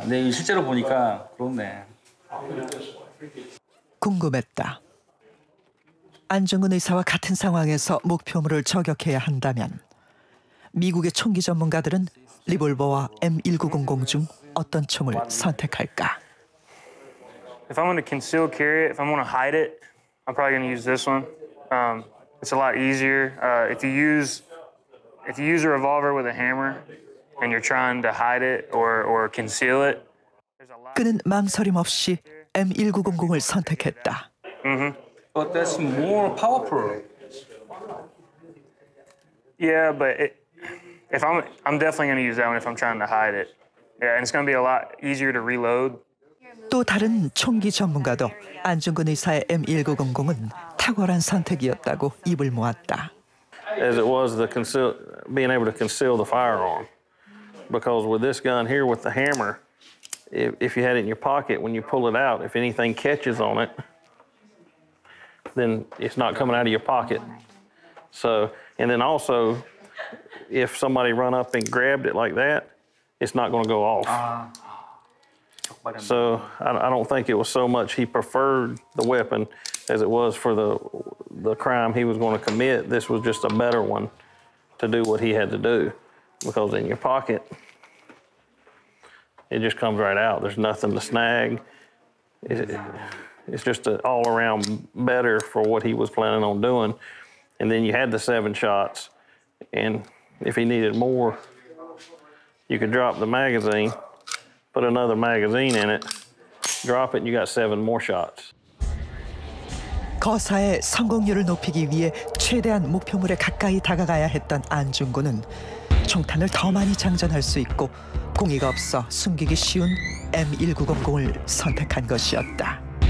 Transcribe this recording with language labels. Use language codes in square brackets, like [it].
[ko] 근데 실제로 보니까 그렇네. 궁금했다. 안중근 의사와 같은 상황에서 목표물을 저격해야 한다면 미국의 총기 전문가들은 리볼버와 M1900 중 어떤 총을 선택할까? [en] If I'm going to conceal carry it, if I'm going to hide it, I'm probably going to use this one. It's a lot easier. If you use a revolver with a hammer and you're trying to hide it or conceal it, there's a lot. [ko] 그는 망설임 없이 M1900을 선택했다. Mm-hmm. [en] But that's more powerful. Yeah, but if I'm definitely going to use that one if I'm trying to hide it. Yeah, and it's going to be a lot easier to reload. [ko] 또 다른 총기 전문가도 안중근 의사의 M1900은 탁월한 선택이었다고 입을 모았다. [en] As it was the conceal, being able to conceal the firearm, because with this gun here with the hammer, if you had it in your pocket when you pull it out, if anything catches on it, then it's not coming out of your pocket. So, and then also, if somebody run up and grabbed it like that, it's not going to go off. So I don't think it was so much he preferred the weapon as it was for the crime he was going to commit. This was just a better one to do what he had to do because in your pocket, it just comes right out. There's nothing to snag. It's just all around better for what he was planning on doing. And then you had the 7 shots. And if he needed more, you could drop the magazine. Put another magazine in it. Drop it and you got 7 more shots. [ko] 거사의 성공률을 높이기 위해 최대한 목표물에 가까이 다가가야 했던 안중근은 총탄을 더 많이 장전할 수 있고 공이가 없어 숨기기 쉬운 M1900을 선택한 것이었다.